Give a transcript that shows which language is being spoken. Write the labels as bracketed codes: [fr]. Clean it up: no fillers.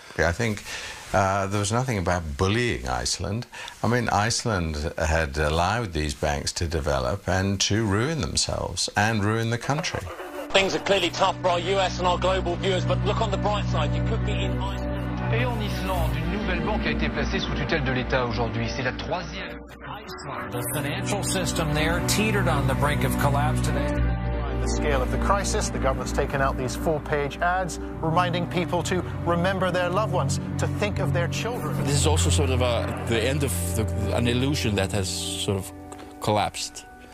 [en] I think there was nothing about bullying Iceland. I mean, Iceland had allowed these banks to develop and to ruin themselves and ruin the country. Things are clearly tough for our US and our global viewers, but look on the bright side, you could be in Iceland. [fr] Et en Islande, une nouvelle banque a été placée sous tutelle de l'État aujourd'hui. C'est la troisième. [en] The financial system there teetered on the brink of collapse today. The scale of the crisis, the government's taken out these four-page ads reminding people to remember their loved ones, to think of their children. This is also sort of the end of an illusion that has sort of collapsed.